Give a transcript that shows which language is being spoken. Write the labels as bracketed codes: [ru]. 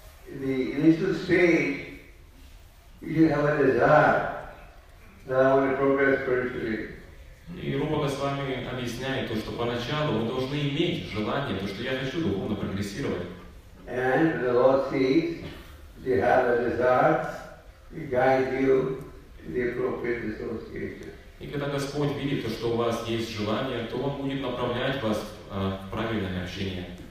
[en] In the initial stage, you should have a desire that I want to progress spiritually. [ru] И Рупа Госвами объясняет то, что поначалу мы должны иметь желание, то, что я хочу духовно прогрессировать. [en] And the Lord sees if you have a desire, He guides you to the appropriate association. [ru] И когда Господь видит то, что у вас есть желание, то Он будет направлять вас в правильное общение.